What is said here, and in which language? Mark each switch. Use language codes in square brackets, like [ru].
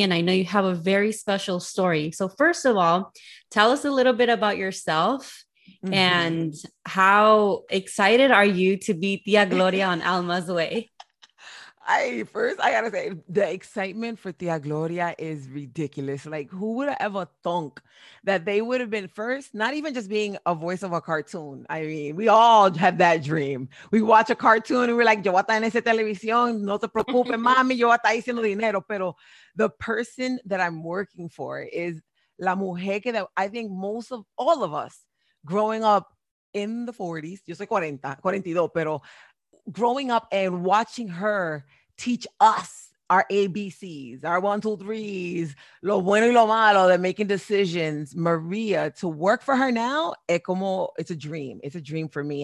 [en] And I know you have a very special story. So first of all, tell us a little bit about yourself and how excited are you to be Tia Gloria on Alma's Way? I got to say, the excitement for Tia Gloria is ridiculous. Like, who would have ever thunk that they would have been first, not even just being a voice of a cartoon. I mean, we all have that dream. We watch a cartoon and we're like, [es] yo voy a estar en esa televisión, no te preocupes, mami, yo voy a estar haciendo dinero. [en] Pero the person that I'm working for is [es] la mujer que [en] I think most of all of us growing up in the 40s, [es] yo soy 42, pero [en] growing up and watching her teach us our ABCs, our 1, 2, 3s, [es] lo bueno y lo malo, [en] the making decisions, Maria, to work for her now, it's a dream. It's a dream for me.